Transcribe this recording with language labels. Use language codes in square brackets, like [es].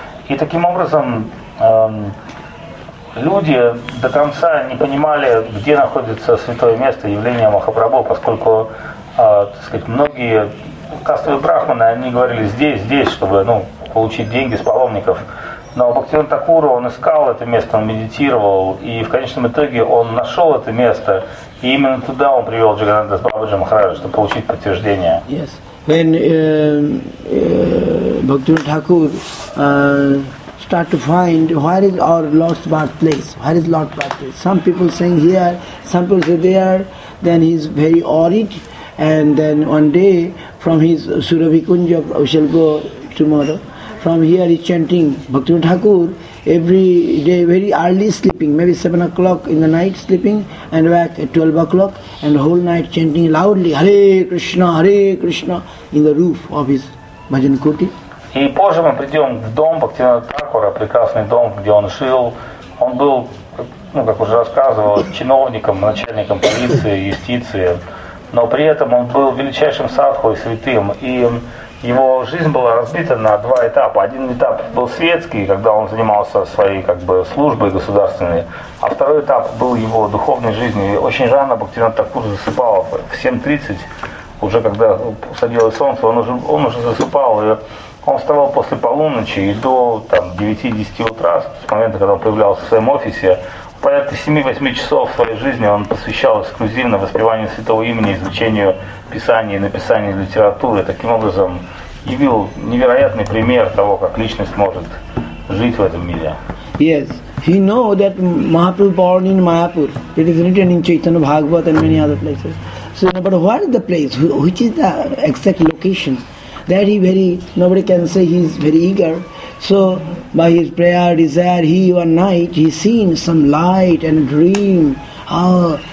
[ru] И таким образом люди до конца не понимали, где находится святое место явления Махапрабху, поскольку многие кастовые брахманы, они говорили здесь, чтобы получить деньги с паломников. Но Бхактивинода Тхакура, он искал это место, он медитировал, и в конечном итоге он нашел это место, и именно туда он привел Джаганнатдас Бабаджи Махараджа, чтобы получить подтверждение. [en] Yes. When Bhaktivinoda Thakur start to find where is our Lord's birthplace, where is Lord's birthplace? Some people saying here, some people say there, then he's very worried, and then one day from his Suravi Kunja, we shall go tomorrow. From here he's chanting Bhaktivinoda Thakur every day, very early sleeping, maybe 7 o'clock in the night sleeping, and back at 12 o'clock, and whole night chanting loudly, Hare Krishna, in the roof of his bhajan koti. [ru] И позже мы придем в дом Бхактивинода Тхакура, прекрасный дом, где он жил. Он был, как уже рассказывал, чиновником, начальником полиции, юстиции, но при этом он был величайшим садху и святым. И его жизнь была разбита на два этапа. Один этап был светский, когда он занимался своей службой государственной, а второй этап был его духовной жизнью. Очень рано Бхактивинода Тхакура засыпал в 7:30, уже когда садилось солнце, он уже засыпал. И он вставал после полуночи и до 9-10 утра, с момента, когда он появлялся в своем офисе, порядка 7-8 часов своей жизни он посвящал эксклюзивно воспеванию святого имени, изучению писания и написанию литературы. Таким образом, явил невероятный пример того, как личность может жить в этом мире. [en] Yes, he know that Mahaprabhu born in Mayapur. It is written in Chaitanya Bhagavat and many other places. So, but what is the place? Which is the exact location? That he very, nobody can say he is very eager. So by his prayer, desire, he one night, he seen some light and dream. Oh,